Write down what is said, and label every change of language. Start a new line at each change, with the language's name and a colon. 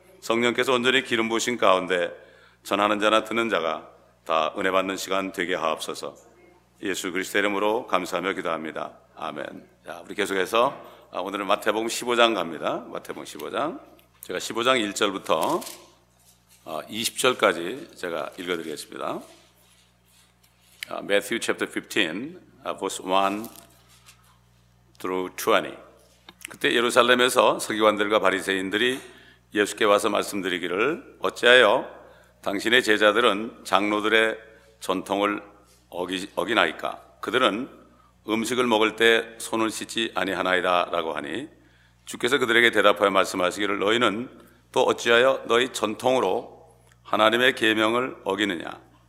Korean: 성령께서 온전히 기름 부으신 가운데 전하는 자나 듣는 자가 다 은혜 받는 시간 되게 하옵소서. 예수 그리스도의 이름으로 감사하며 기도합니다. 아멘. 자, 우리 계속해서 오늘은 마태복음 15장 갑니다. 마태복음 15장. 제가 15장 1절부터 20절까지 제가 읽어드리겠습니다.
English: Matthew chapter 15, verse 1 through 20.
Korean: 그때 예루살렘에서 서기관들과 바리새인들이 예수께 와서 말씀드리기를, 어찌하여 당신의 제자들은 장로들의 전통을 어기나이까? 그들은 음식을 먹을 때 손을 씻지 아니하나이다 라고 하니, 주께서 그들에게 대답하여 말씀하시기를, 너희는 또 어찌하여 너희 전통으로 하나님의 계명을 어기느냐?